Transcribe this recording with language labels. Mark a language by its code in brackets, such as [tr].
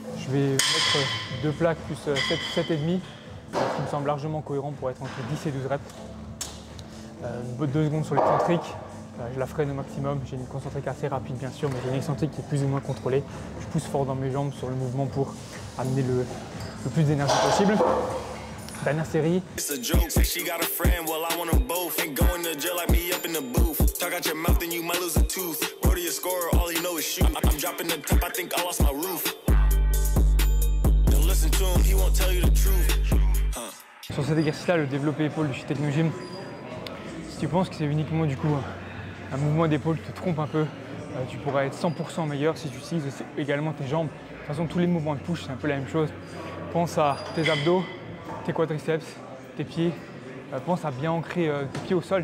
[fr] Je vais mettre 2 plaques plus 7,5, ce qui me semble largement cohérent pour être entre 10 et 12 reps. 2 secondes sur l'excentrique, je la freine au maximum. J'ai une concentrique assez rapide bien sûr, mais j'ai une excentrique qui est plus ou moins contrôlée. Je pousse fort dans mes jambes sur le mouvement pour amener le plus d'énergie possible. Dernière série. [en] It's a joke, say she got a friend, well I want them both. Ain't going to jail like me up in the booth. Talk out your mouth and you might lose a tooth. Go to your score, all you know is shoot. I'm dropping the top, I think I lost my roof. Don't listen to him, he won't tell you the truth. [fr] Sur cet exercice-là, le développé épaule du Technogym, si tu penses que c'est uniquement du coup un mouvement d'épaule, tu te trompes un peu. Tu pourras être 100% meilleur si tu utilises également tes jambes. De toute façon, tous les mouvements de push, c'est un peu la même chose. Pense à tes abdos, tes quadriceps, tes pieds, pense à bien ancrer tes pieds au sol.